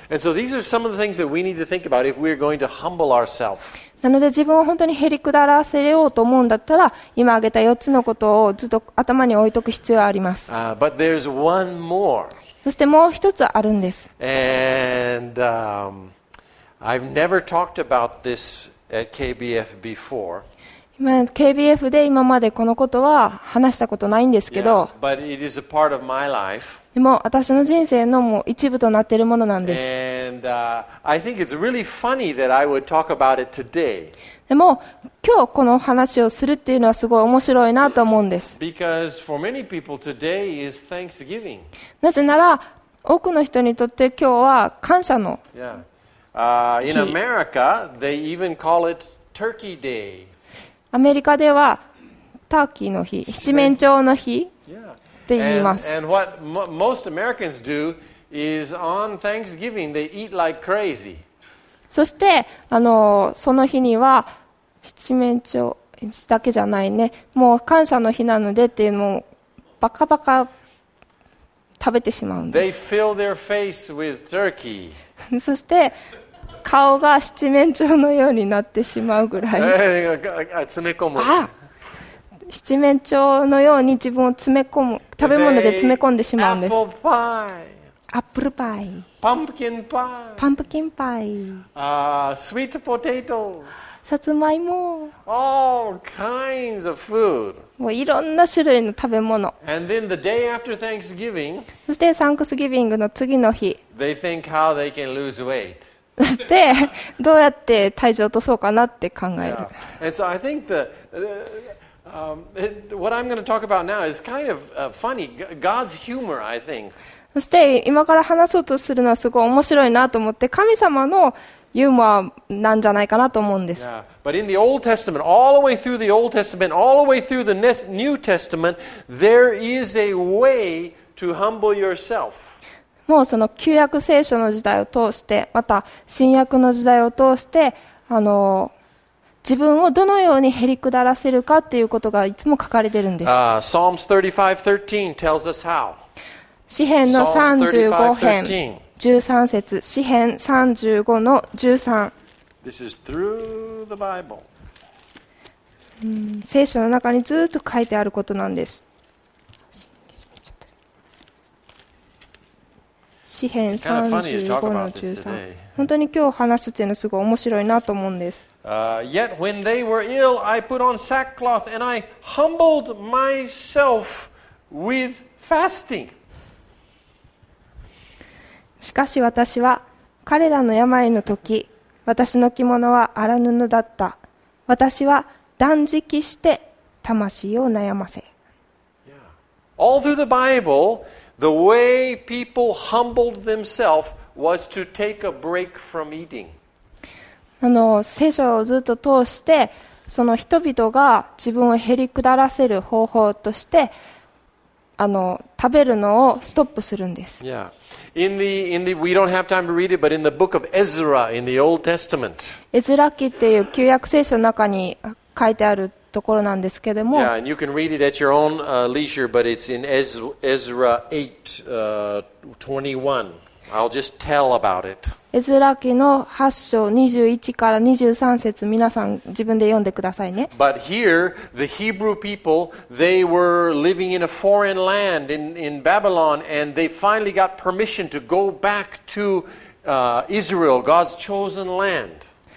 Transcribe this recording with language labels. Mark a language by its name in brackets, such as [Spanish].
[English] And so these are some of the things that we need to think about if we're going to humble ourselves. [Japanese] なので自分を本当にへりくだらせようと思うんだったら、今挙げた4つのことをずっと頭に置いておく必要があります。 [English] But there's one more. [Japanese] そしてもう一つあるんです。 [English] And, I've never talked about this at KBF before. [Japanese] KBF で今までこのことは話したことないんですけど、 [English] yeah, but it is a part of my life. [Japanese] でも私の人生のもう一部となっているものなんです。 [English] And, I think it's really funny that I would talk about it today. [Japanese] でも今日この話をするっていうのはすごい面白いなと思うんです。 [English] Because for many people, today is Thanksgiving. [Japanese] なぜなら多くの人にとって今日は感謝の日。 [English] In America, they even call it Turkey Day. [Japanese] アメリカではターキーの日、七面鳥の日って言います。 [English] and what most Americans do is on Thanksgiving, they eat like crazy. [Japanese] そしてその日には七面鳥だけじゃないね、もう感謝の日なのでっていうのをバカバカ食べてしまうんです。 [English] They fill their face with turkey. [Japanese] そして顔が七面鳥のようになってしまうぐらい詰め込む。あ、七面鳥のように自分を詰め込む、食べ物で詰め込んでしまうんです。アップルパイ、パンプキンパイ、パンプキンパイ、スイートポテトス、さつまいも、 [English] all kinds of food. [Japanese] もういろんな種類の食べ物。 [English] And then the day after Thanksgiving, [Japanese] そしてサンクスギビングの次の日、 [English] they think how they can lose weight. [Japanese] そしてどうやって体重を落とそうかなって考える。 [English] Yeah. And so I think the, what I'm going to talk about now is kind of funny, God's humor, I think. [Japanese] そして今から話そうとするのはすごい面白いなと思って、神様のユーモアなんじゃないかなと思うんです。 [English] Yeah. But in the Old Testament, all the way through the Old Testament, all the way through the New Testament, there is a way to humble yourself. [Japanese] もうその旧約聖書の時代を通して、また新約の時代を通して、自分をどのようにへりくだらせるかっていうことがいつも書かれてるんです。 [English] Psalms 35:13 tells us how. [Japanese] 詩篇の35編13節、詩篇35の13。 [English] This is through the Bible. [Japanese] 聖書の中にずっと書いてあることなんです。詩篇35の13。本当に今日話すっていうのはすごい面白いなと思うんです。 [English] Yet when they were ill, I put on sackcloth and I humbled myself with fasting. [Japanese] しかし私は彼らの病の時、私の着物は荒布だった。私は断食して魂を悩ませ。 [English] All through the Bible, The way people humbled themselves was to take a break from eating. [Japanese] 聖書をずっと通して、その人々が自分をへりくだらせる方法として、食べるのをストップするんです。 [English] Yeah. In the, we don't have time to read it, but in the book of Ezra in the Old Testament. [Japanese] エズラ記っていう旧約聖書の中に書いてあるところなんですけども。 [English] Yeah, and you can read it at your own leisure, but it's in Ezra 8:21. I'll just tell about it. [Japanese] エズラ記の8章21から23節、皆さん自分で読んでくださいね。 [English] But here, the Hebrew people, they were living in a foreign land in Babylon, and they finally got permission to go back to Israel, God's chosen land.